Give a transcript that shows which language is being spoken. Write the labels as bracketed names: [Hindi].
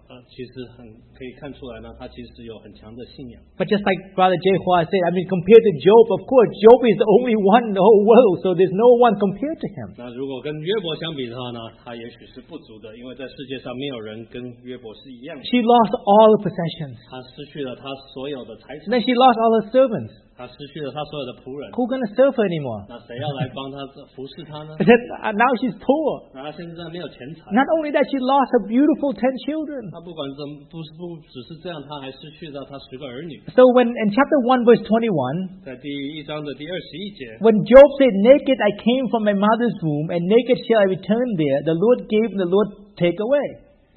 [Chinese] 其实很可以看出来呢，他其实有很强的信仰。 [English] But just like Brother Jay Hua said, I mean, compared to Job, of course, Job is the only one in the whole world, so there's no one compared to him. [Chinese] 那如果跟约伯相比的话呢，他也许是不足的，因为在世界上没有人跟约伯是一样的。 [English] She lost all the possessions. [Chinese] 他失去了他所有的财产。 [English] Then she lost all her servants. [Chinese] 他失去了他所有的仆人。 [English] Who's going to serve her anymore? [Chinese] 那谁要来帮他服侍他呢？ [English] Now she's poor. [Chinese] 那他现在没有钱财。 [English] Not only that, she lost her beautiful 10 children. [Chinese] 不只是这样, [English] so when in chapter 1 verse 21 [Chinese] 在第一章的第21节, [English] when Job said, naked I came from my mother's womb and naked shall I return there, the Lord gave and the Lord take away.